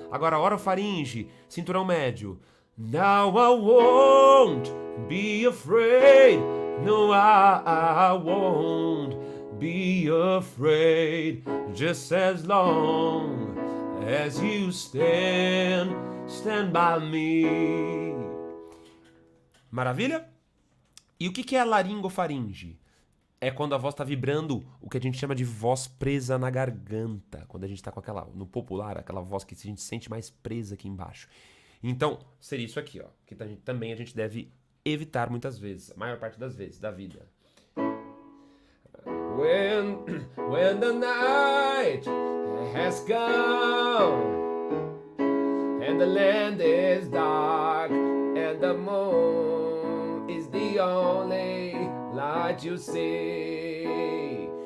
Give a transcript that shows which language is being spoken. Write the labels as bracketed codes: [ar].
[pt] Agora, orofaringe, cinturão médio. [en] Now I won't be afraid. No, I won't be afraid. Just as long as you stand by me. [pt] Maravilha? E o que é a laringofaringe? É quando a voz está vibrando o que a gente chama de voz presa na garganta. Quando a gente está com aquela, no popular, aquela voz que a gente sente mais presa aqui embaixo. Então, seria isso aqui, ó, que também a gente deve evitar muitas vezes, a maior parte das vezes da vida. [en] When the night has come and the the land is dark and the moon is the only light you see.